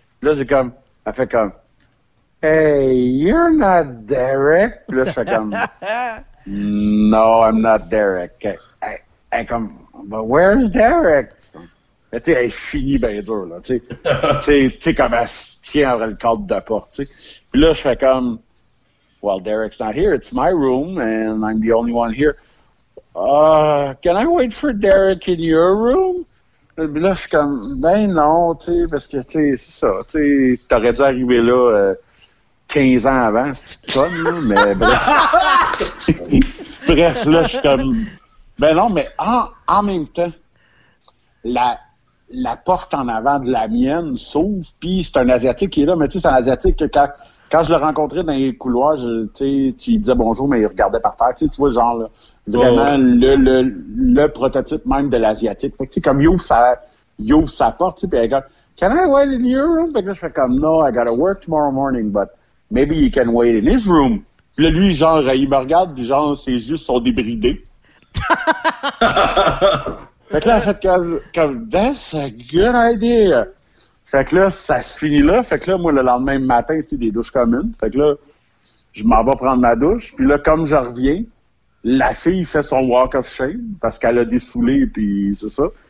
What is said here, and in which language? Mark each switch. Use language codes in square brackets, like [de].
[fr] Là, c'est comme... Elle fait comme... [en] Hey, you're not Derek? [fr] Puis là, je fais comme... [en] No, I'm not Derek. [fr] Elle est comme... [en] But where's Derek? [fr] Mais tu sais, elle est finie bien dure, là. Tu sais, comme elle se tient vers le cadre de la porte, tu sais. Puis là, je fais comme... [en] Well, Derek's not here. [fr] It's my room, and I'm the only one here. Can I wait for Derek in your room? Là, je suis comme, ben non, tu sais, parce que, tu sais, c'est ça, tu sais, t'aurais dû arriver là 15 ans avant, c'est petite conne, là, mais bref. Bref, là, je suis comme, ben non, mais en même temps, la porte en avant de la mienne s'ouvre, puis c'est un Asiatique qui est là, mais tu sais, c'est un Asiatique que quand je le rencontrais dans les couloirs, tu sais, il disait bonjour, mais il regardait par terre, tu vois, genre, là. Vraiment, oh. le prototype même de l'Asiatique. Fait que, tu sais, comme il ouvre sa porte, tu sais, pis elle dit, [en] can I wait in your room? [fr] Fait que là, je fais comme, [en] no, I gotta work tomorrow morning, but maybe you can wait in his room. [fr] Pis là, lui, genre, il me regarde, pis genre, ses yeux sont débridés. Fait que là, fait comme, [en] that's a good idea. [fr] Fait que là, ça se finit là. Fait que là, moi, le lendemain matin, tu sais, des douches communes. Fait que là, je m'en vais prendre ma douche. Pis là, comme je reviens, la fille fait son walk of shame parce qu'elle a défoulé, puis c'est ça.